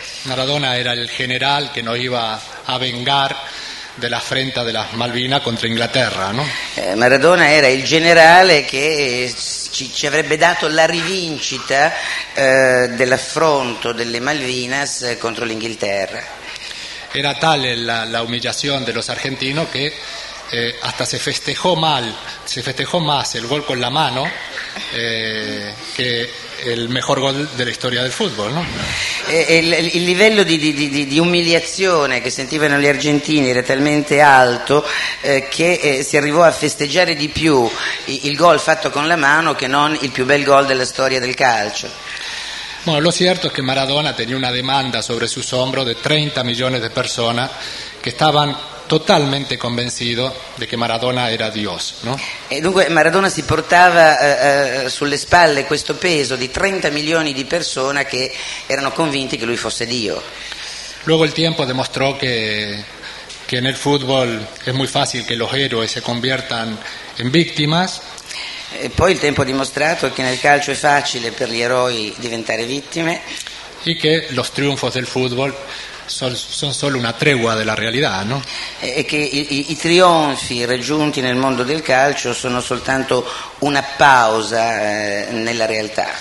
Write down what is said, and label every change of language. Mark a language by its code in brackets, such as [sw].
[it] Maradona era il generale che noi [es] iba a vengar [it] della affrenta della Malvina contro Inghilterra, no? Maradona era il generale che ci avrebbe dato la rivincita dell'affronto delle Malvinas contro l'Inghilterra. [es] Era tale la humillación de los argentinos que hasta se festejó más el gol con la mano que el mejor gol de la historia del fútbol, ¿no? [it] Il livello di umiliazione che sentivano gli argentini era talmente alto che si arrivò a festeggiare di più il gol fatto con la mano che non il più bel gol della storia del calcio. [es] Bueno, lo cierto es que Maradona tenía una demanda sobre sus hombros de 30 millones de personas que estaban totalmente convencidos de que Maradona era Dios, ¿no? [it] E dunque Maradona si portava sulle spalle questo peso di 30 milioni di persone che erano convinti che lui fosse Dio. [es] Luego el tiempo demostró que en el fútbol es muy fácil que los héroes se conviertan en víctimas. [it] E poi il tempo ha dimostrato che nel calcio è facile per gli eroi diventare vittime. E che i trionfi del football sono solo una tregua della realtà, no? E che i trionfi raggiunti nel mondo del calcio sono soltanto una pausa nella realtà.